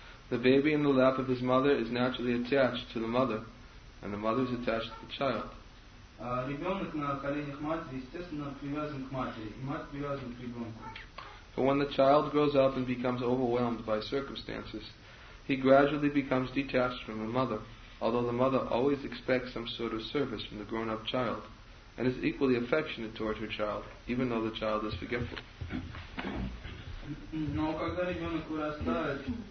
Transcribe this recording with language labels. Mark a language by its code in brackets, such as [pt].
[en] The baby in the lap of his mother is naturally attached to the mother, and the mother is attached to the child. [ru] Ребенок на коленях матери, естественно, привязан к матери, и мать привязана к ребенку. [en] But when the child grows up and becomes overwhelmed by circumstances, he gradually becomes detached from the mother, although the mother always expects some sort of service from the grown-up child, and is equally affectionate toward her child, even though the child is forgetful. [ru] Но когда ребенок вырастает,